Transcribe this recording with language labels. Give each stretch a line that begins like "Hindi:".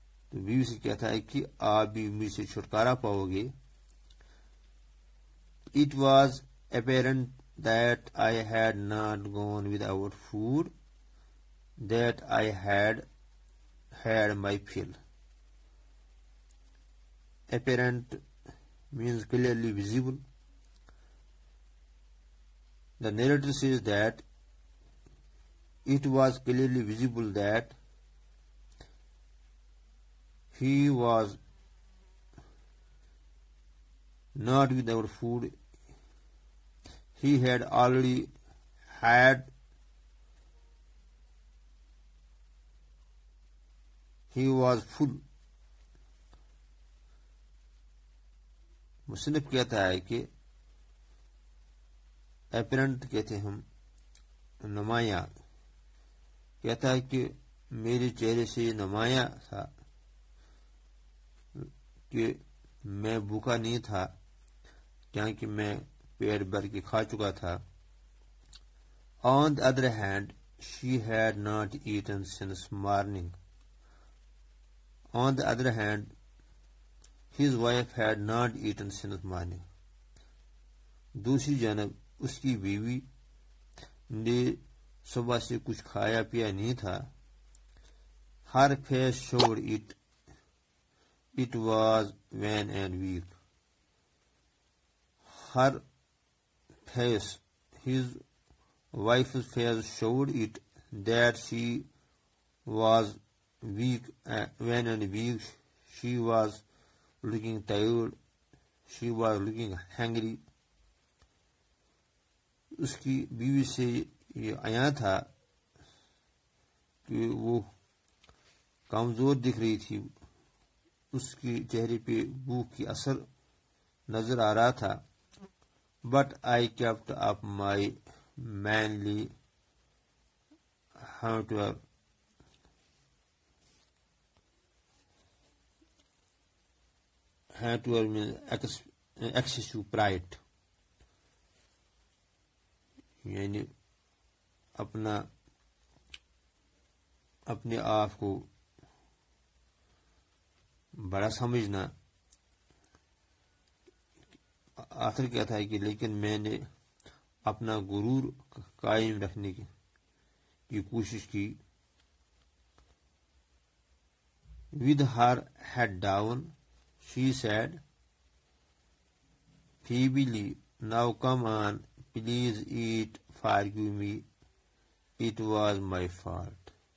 Urdu: تو بیوی سے کہتا ہے کہ آپ بھی مجھ سے چھٹکارا پاؤ گے.
English: It was apparent that I had not gone without food that I had had my fill. Apparent means clearly visible. The narrator says that it was clearly visible that he was not without food. He had already had he was full.
Urdu: مصنف کہتا ہے کہ apparent کہتے ہم نمایاں, کہتا ہے کہ میرے چہرے سے نمایاں تھا کہ میں بھوکا نہیں تھا کیونکہ میں پیٹ بھر کے کھا چکا تھا.
English: On the other hand she had not eaten since morning. On the other hand His wife had not eaten since morning.
Urdu: دوسری جانب اس کی بیوی نے صبح سے کچھ کھایا پیا نہیں تھا.
English: Her face showed it. It was wan and weak. Her face, his wife's face showed it that she was weak, wan and weak. She was looking tired, she was looking hungry.
Urdu: اس کی بیوی سے یہ آیا تھا کہ وہ کمزور دکھ رہی تھی, اس کے چہرے پہ بھوک کی اثر نظر آ رہا تھا.
English: But I kept up my manly hauteur. Hatred means excessive pride,
Urdu: یعنی اپنا اپنے آپ کو بڑا سمجھنا. آخر کیا تھا کہ لیکن میں نے اپنا غرور قائم رکھنے کی کوشش کی.
English: With her head down she said feebly, now come on, please eat, forgive me, it was my fault.